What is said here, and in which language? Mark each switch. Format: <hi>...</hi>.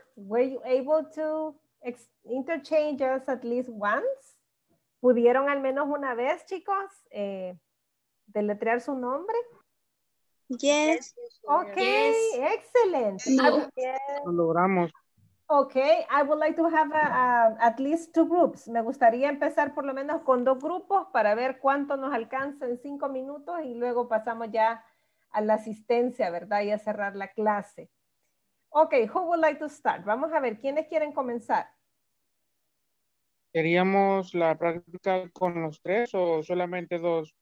<en>Were you able to interchange us at least once?</en> <es>¿Pudieron al menos una vez, chicos, deletrear su nombre?</es> <en>Yes. Okay, yes. Excellent. No.</en> <es>Lo logramos.</es> <en>Okay, I would like to have at least two groups.</en> <es>Me gustaría empezar por lo menos con dos grupos para ver cuánto nos alcanza en 5 minutos y luego pasamos ya a la asistencia, ¿verdad? Y a cerrar la clase.</es> <en>Ok, who would like to start?</en> <es>Vamos a ver, ¿quiénes quieren comenzar? ¿Queríamos la práctica con los tres o solamente dos?</es>